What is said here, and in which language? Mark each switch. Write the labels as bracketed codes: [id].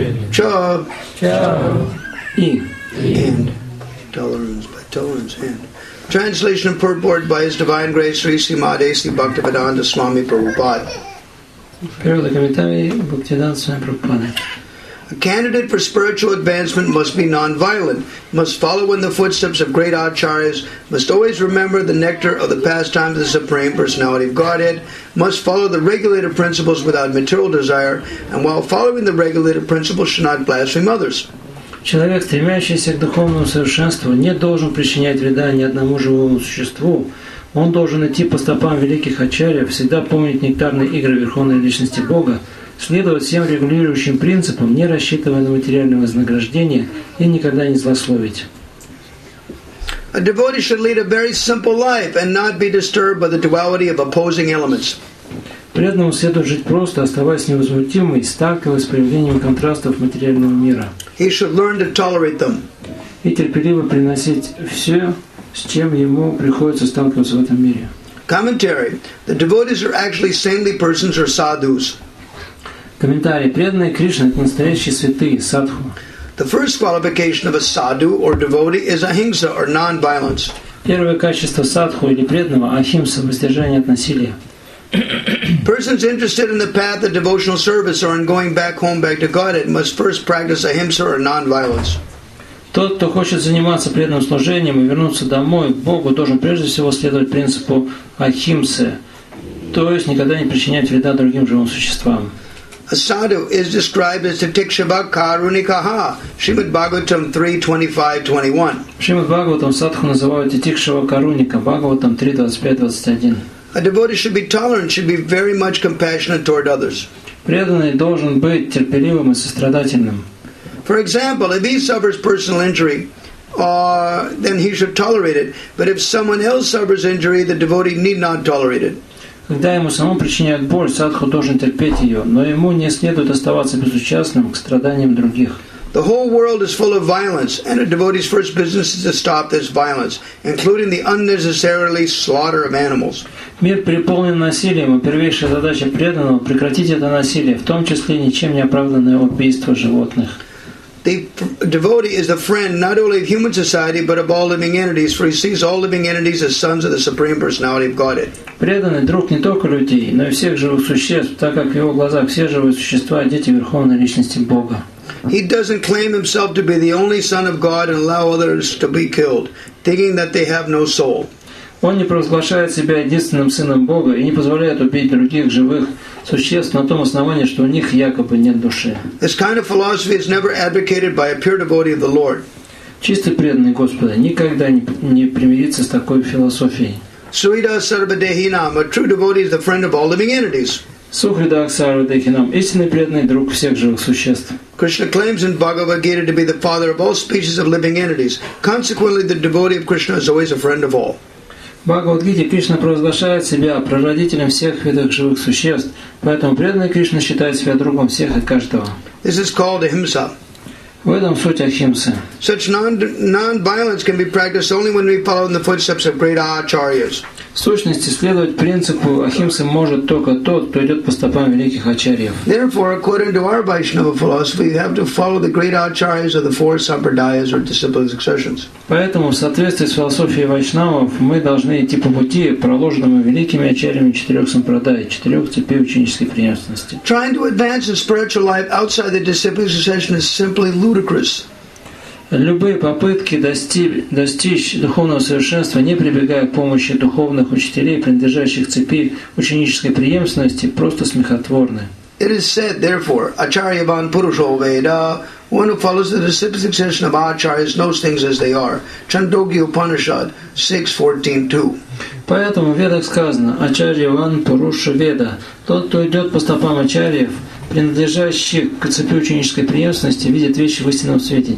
[ru] Ча, ча, и, [en] and tolerance by tolerance and. Translation and purport by His Divine Grace Sri Srimadesi Bhaktivedanta Swami Prabhupada. [ru] Перевод комментарий Бхактивиданта Свами Прабхупады. [en] A candidate for spiritual advancement must be non-violent, must follow in the footsteps of great acharyas, must always remember the nectar of the pastimes of the Supreme Personality of Godhead, must follow the regulative principles without material desire, and while following the regulative principles should not blaspheme others. [ru] Человек, стремящийся к духовному совершенству, не должен причинять вреда ни одному живому существу. Он должен идти по стопам великих ачарьев, всегда помнить нектарные игры Верховной Личности Бога, следовать всем регулирующим принципам, не рассчитывая на материальное вознаграждение, и никогда не злословить. [en] A devotee should lead a very simple life and not be disturbed by the duality of opposing elements. [ru] Преданному следует жить просто, оставаясь невозмутимым и сталкиваясь с проявлением контрастов материального мира. [en] He should learn to tolerate them. [ru] И терпеливо приносить все, с чем ему приходится сталкиваться в этом мире. [en] Commentary. The devotees are actually saintly persons or sadhus. [ru] Комментарий. Преданные Кришны – это настоящие святые, садху. [en] The first qualification of a sadhu or devotee is ahimsa or non-violence. [ru] Первое качество садху или преданного – ахимса, воздержание от насилия. [en] Persons interested in the path of devotional service or in going back home back to Godhead must first practice ahimsa or non-violence. [ru] Тот, кто хочет заниматься преданным служением и вернуться домой к Богу, должен прежде всего следовать принципу ахимсы, то есть никогда не причинять вреда другим живым существам. [en] A sadhu is described as Tatikshava Karunikaha, Srimad Bhagavatam 3.25.21. [ru] Srimad Bhagavatam садху называют Tatikshava Karunika, Bhagavatam 3.25.21. [en] A devotee should be tolerant, should be very much compassionate toward others. [ru] Преданный должен быть терпеливым и сострадательным. [en] For example, if he suffers personal injury, then he should tolerate it. But if someone else suffers injury, the devotee need not tolerate it. [ru] Когда ему самому причиняют боль, садху должен терпеть ее, но ему не следует оставаться безучастным к страданиям других. [en] The whole world is full of violence, and a devotee's first business is to stop this violence, including the unnecessarily slaughter of animals. [ru] Мир переполнен насилием, и первейшая задача преданного — прекратить это насилие, в том числе ничем не оправданное убийство животных. [en] The devotee is the friend not only of human society, but of all living entities, for he sees all living entities as sons of the Supreme Personality of Godhead. [ru] Преданный друг не только людей, но и всех живых существ, так как в его глазах все живые существа — дети Верховной Личности Бога. [en] He doesn't claim himself to be the only son of God and allow others to be killed, thinking that they have no soul. [ru] Он не провозглашает себя единственным сыном Бога и не позволяет убить других живых существ на том основании, что у них якобы нет души. [en] This kind of philosophy is never advocated by a pure devotee of the Lord. [ru] Чистый преданный Господа никогда не примирится с такой философией. [sa] Suhita Sarvadehinam, [en] a true devotee is the friend of all living entities. [ru] Сухрида Аксарвадехинам, истинный преданный друг всех живых существ. [en] Krishna claims in Bhagavad Gita to be the father of all species of living entities. Consequently, the devotee of Krishna is always a friend of all. [ru] В Бхагавад-гите Кришна провозглашает себя прародителем всех видов живых существ, поэтому преданный Кришна считает себя другом всех и каждого. [en] This is called ahimsa. [ru] В этом суть ахимсы. [en] Such non-violence can be practiced only when we follow in the footsteps of great acharyas. [ru] В сущности, следовать принципу ахимсы может только тот, кто идет по стопам великих ачарьев. [en] Therefore, according to our Vaishnava philosophy, you have to follow the great acharyas of the four sampradayas or disciplinary successions. [ru] Поэтому, в соответствии с философией вайшнавов, мы должны идти по пути, проложенному великими ачарьями четырех сампрадай, четырех цепей ученической преемственности. [en] Trying to advance a spiritual life outside the disciplinary succession is simply ludicrous. [ru] Любые попытки достичь духовного совершенства, не прибегая к помощи духовных учителей, принадлежащих цепи ученической преемственности, просто смехотворны. [en] It is said, therefore, [sa] Acharyavan Purusho Veda, [en] one who follows the disciplic succession of Acharyas knows things as they are. Chandogya Upanishad 6.14.2. [ru] Поэтому в Ведах сказано, [sa] Acharyavan Purusho Veda, [ru] тот, кто идет по стопам Ачарьев, принадлежащих к цепи ученической преемственности, видят вещи в истинном свете.